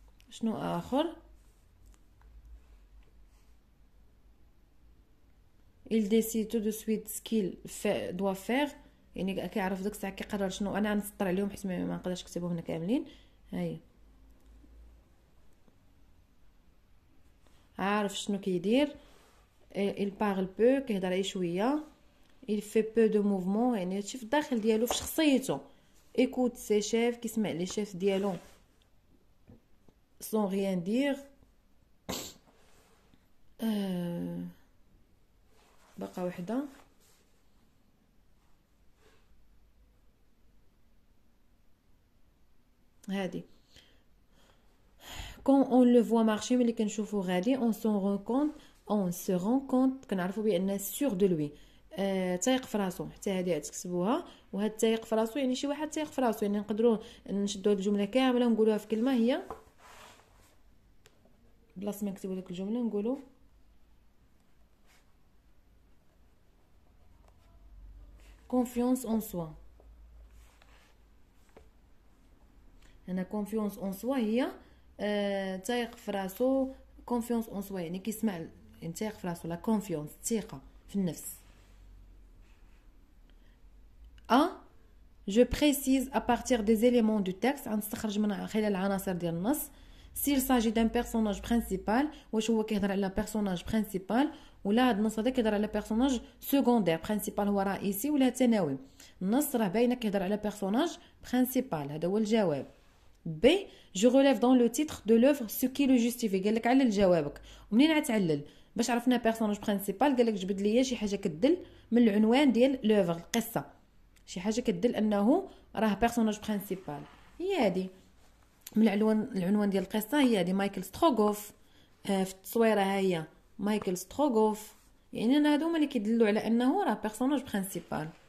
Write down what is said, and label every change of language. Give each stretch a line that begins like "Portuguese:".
Arabic: شنو اخر؟
French: il décide tout de suite ce qu'il doit faire.
Arabic: يعني كيعرف ديك الساعه كيقرر شنو. انا نسطر عليهم حيت ما نقدرش نكتبهم هنا كاملين. ها هي عارف شنو كيدير.
French: il parle peu
Arabic: كيهضر اي شويه.
French: il fait peu de mouvement
Arabic: يعني هادشي في الداخل ديالو في شخصيته.
French: écoute ses chefs
Arabic: كيسمع لي شيف ديالو
French: sans rien dire.
Arabic: بقى واحدة.
French: هادي quand on le voit marcher
Arabic: ملي كنشوفو غادي
French: on s'en rend compte
Arabic: كنعرفو بأن
French: sûr de lui.
Arabic: تايق فراسو حتى هادي تكتبوها. وهاد تايق فراسو يعني شي واحد تايق فراسو يعني نقدرو نشدو الجملة كاملة نقولوها في كلمة هي بلاص ما نكتبو ديك الجملة نقولو
French: confiance en soi.
Arabic: هنا
French: confiance en soi
Arabic: هي تايق فراسو.
French: confiance en soi
Arabic: يعني كيسمع يعني تايق فراسو لا confiance ثقة في النفس.
French: A je précise à partir des éléments du texte
Arabic: غنستخرج من خلال العناصر ديال النص.
French: S'il s'agit d'un personnage principal,
Arabic: واش هو كيهضر على personnage principal ولا هاد النص هذا كيهضر على personnage secondaire. principal هو رئيسي ولا ثانوي. النص راه باينه كيهضر على personnage principal. هذا هو الجواب.
French: B je relève dans le titre de l'œuvre ce qui le justifie.
Arabic: قال لك علل جوابك. ومنين غتعلل باش عرفنا personnage principal؟ قال لك جبد ليا شي حاجه كدل من العنوان ديال لوفر القصه شي حاجه كدل انه راه بيرسوناج برينسيبال. هي هادي من العنوان ديال القصه هي هادي مايكل ستروغوف. في التصويره ها هي مايكل ستروغوف. يعني انا هادو هما اللي كيدلوا على انه راه بيرسوناج برينسيبال.